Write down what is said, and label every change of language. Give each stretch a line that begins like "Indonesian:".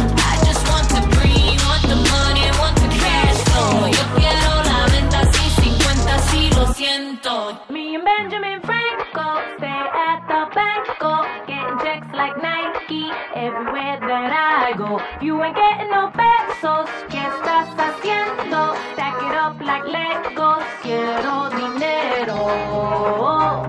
English: I just want the green, want the money, want the cash flow.
Spanish: Yo quiero la venta, si, 50, si, lo siento.
English: Me and Benjamin Franco stay at the banco. Checks like Nike everywhere that I go. You ain't getting no pesos.
Spanish: ¿Qué estás haciendo?
English: Stack it up like Legos.
Spanish: Quiero dinero.